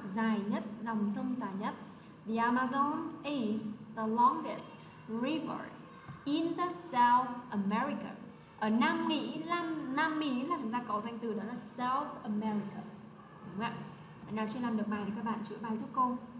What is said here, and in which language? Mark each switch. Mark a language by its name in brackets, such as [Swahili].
[Vietnamese] Dài nhất, dòng sông dài nhất. [English] The Amazon is the longest river in the South America. [Vietnamese] Ở Nam Mỹ là chúng ta có danh từ đó là South America, đúng không ạ? Bạn nào chưa làm được bài thì các bạn chữa bài giúp cô.